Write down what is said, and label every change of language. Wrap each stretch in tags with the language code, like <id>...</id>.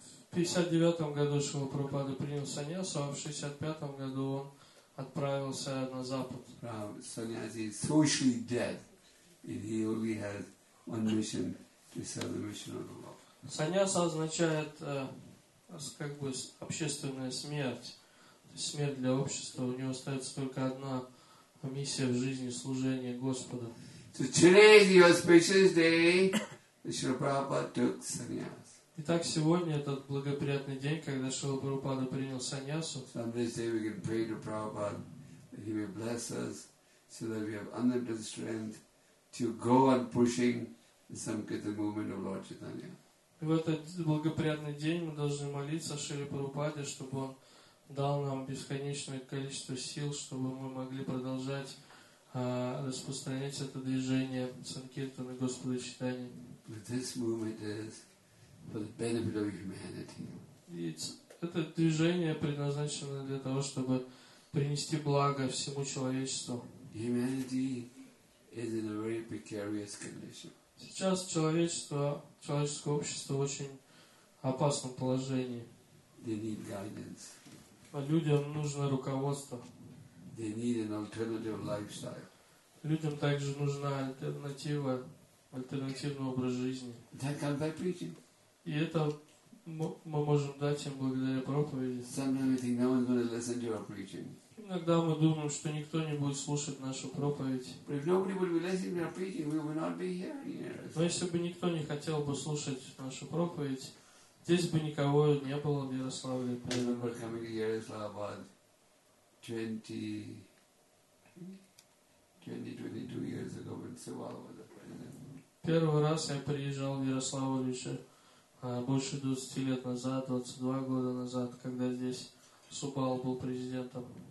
<ru>В 59-м году Шрила Прабхупада принял саньясу, а в 65-м году он отправился на Запад.</ru> <en>Саньяси socially dead, and he only has one mission to serve the mission of the Lord.</en> <ru>Саньяса означает как бы общественная смерть, то есть смерть для общества. У него остается только одна миссия в жизни — служение Господу.</ru> <en>So today is your auspicious day. Шрила Прабхупада took sannyas.</en> <ru>Итак, сегодня этот благоприятный день, когда Шрила Прабхупада принял саньясу.</ru> <en>So on this day we can pray to Prabhupada that he may bless us so that we have unlimited strength to go on pushing the Sankirtan movement of Lord Chaitanya.</en> <ru>И в этот благоприятный день мы должны молиться Шриле Прабхупаде, чтобы он дал нам бесконечное количество сил, чтобы мы могли продолжать распространять это движение Санкиртана Господа Чайтаньи.</ru> <en>But this movement is for the benefit of humanity.</en> <ru>Это движение предназначено для того, чтобы принести благо всему человечеству.</ru> <en>Humanity is in a very precarious condition.</en> <ru>Сейчас человеческое общество в очень опасном положении.</ru> <en>They need guidance.</en> <ru>Людям нужно руководство.</ru> <en>They need an alternative lifestyle.</en> <ru>Людям также нужна альтернатива. Альтернативный образ жизни.</ru> <en>That comes by preaching.</en> <ru>И это мы можем дать им благодаря проповеди.</ru> <en>Sometimes we think no one's going to listen to our preaching.</en> <ru>Иногда мы думаем, что никто не будет слушать нашу проповедь.</ru> <en>But if nobody would be listening to our preaching, we would not be here.</en> <ru>Но если бы никто не хотел бы слушать нашу проповедь, здесь бы никого не было в Ярославле.</ru> <en>I remember coming to Ярослав about 22 years ago when Sivala was there.</en> <ru>Первый раз я приезжал в Ярославль еще больше 20 лет назад, 22 года назад, когда здесь Супал был президентом.</ru>